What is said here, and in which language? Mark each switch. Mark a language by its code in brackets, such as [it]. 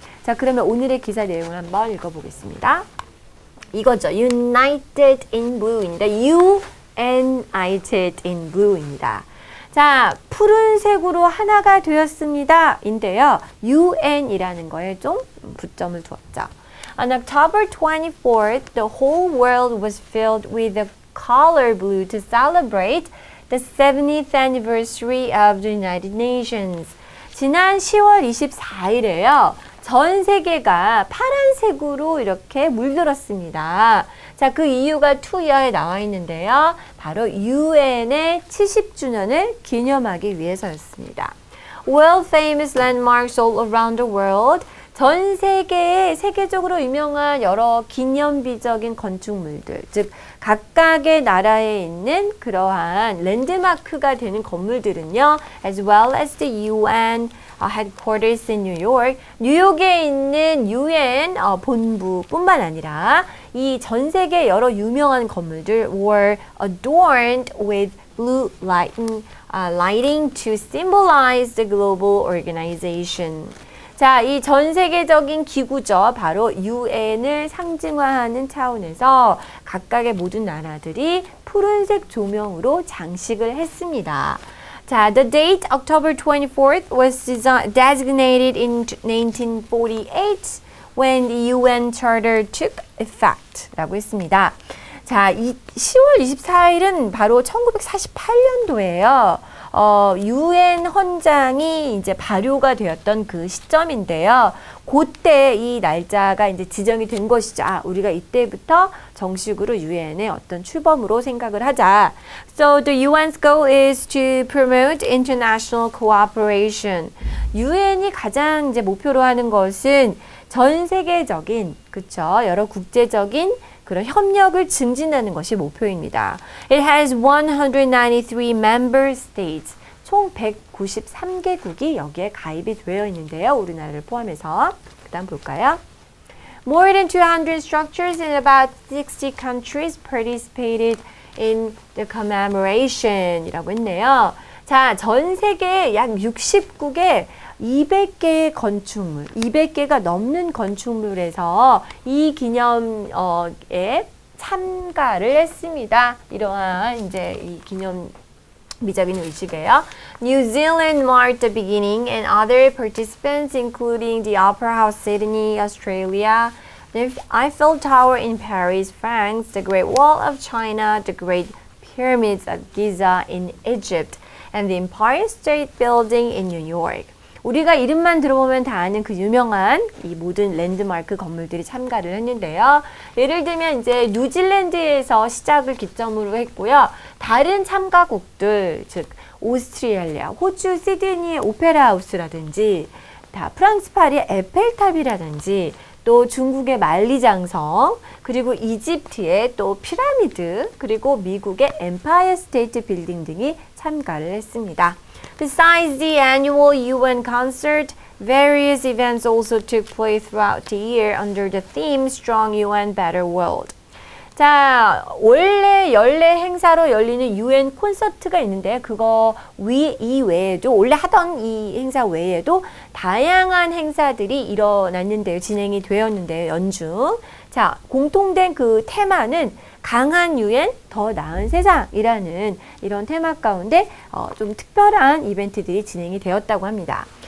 [ko] 자, 그러면 오늘의 기사 내용을 한번 읽어보겠습니다. 이거죠. [en] United in blue [ko] 입니다. United in blue입니다. 자, 푸른색으로 하나가 되었습니다. 인데요. UN이라는 거에 좀 부점을 두었죠. [en] On October 24th, the whole world was filled with the color blue to celebrate the 70th anniversary of the United Nations. [ko] 지난 10월 24일에요. 전 세계가 파란색으로 이렇게 물들었습니다. 자, 그 이유가 2year에 나와 있는데요. 바로 UN의 70주년을 기념하기 위해서였습니다. [en] World famous landmarks all around the world. [ko] 전 세계의 세계적으로 유명한 여러 기념비적인 건축물들, 즉 각각의 나라에 있는 그러한 랜드마크가 되는 건물들은요. [en] As well as the UN headquarters in New York. [ko] 뉴욕에 있는 UN 본부뿐만 아니라 이 전 세계 여러 유명한 건물들 [en] were adorned with blue lighting to symbolize the global organization. [ko] 자, 이 전 세계적인 기구죠. 바로 UN을 상징화하는 차원에서 각각의 모든 나라들이 푸른색 조명으로 장식을 했습니다. [en] 자, the date October 24th was designated in 1948 when the UN Charter took effect [ko] 라고 했습니다. 자, 이 10월 24일은 바로 1948년도예요. 유엔 헌장이 이제 발효가 되었던 그 시점인데요. 그때 이 날짜가 이제 지정이 된 것이죠. 아, 우리가 이때부터 정식으로 유엔의 어떤 출범으로 생각을 하자. [en] So the UN's goal is to promote international cooperation. [ko] 유엔이 가장 이제 목표로 하는 것은 전 세계적인, 그렇죠? 여러 국제적인 그런 협력을 증진하는 것이 목표입니다. [en] It has 193 member states. [ko] 총 193개국이 여기에 가입이 되어 있는데요. 우리나라를 포함해서. 그 다음 볼까요? [en] More than 200 structures in about 60 countries participated in the commemoration. [ko] 이라고 했네요. 자, 전 세계 약 60국에 200개의 건축물, 200개가 넘는 건축물에서 이 기념에 참가를 했습니다. 이러한 이제 이 기념 미적인 의식이에요. [en] New Zealand marked the beginning and other participants including the Opera House Sydney, Australia, the Eiffel Tower in Paris, France, the Great Wall of China, the Great Pyramids of Giza in Egypt, and the Empire State Building in New York. [ko] 우리가 이름만 들어보면 다 아는 그 유명한 이 모든 랜드마크 건물들이 참가를 했는데요. 예를 들면 이제 뉴질랜드에서 시작을 기점으로 했고요. 다른 참가국들, 즉 오스트리아, 호주 시드니의 오페라 하우스라든지 다 프랑스 파리의 에펠탑이라든지 또 중국의 만리장성, 그리고 이집트의 또 피라미드, 그리고 미국의 엠파이어 스테이트 빌딩 등이 참가를 했습니다. [en] Besides the annual UN concert, various events also took place throughout the year under the theme Strong UN Better World. [ko] 자, 원래 연례 행사로 열리는 UN 콘서트가 있는데 그거 이외에도 원래 하던 이 행사 외에도 다양한 행사들이 일어났는데요. 진행이 되었는데요. 연중. 자, 공통된 그 테마는 강한 유엔, 더 나은 세상이라는 이런 테마 가운데 좀 특별한 이벤트들이 진행이 되었다고 합니다.